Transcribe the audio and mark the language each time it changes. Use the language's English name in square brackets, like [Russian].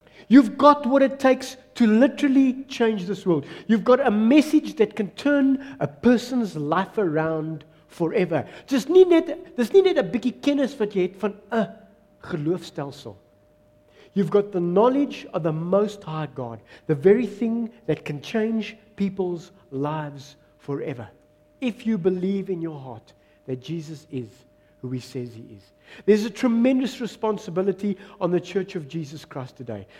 [English] You've got what it takes to literally change this world. You've got a message that can turn a person's life around forever. [Afrikaans] Dis nie net 'n bietjie kennis wat jy het van 'n geloofstelsel. [English] You've got the knowledge of the Most High God, the very thing that can change people's lives forever. If you believe in your heart that Jesus is who He says He is. There's a tremendous responsibility on the Church of Jesus Christ today.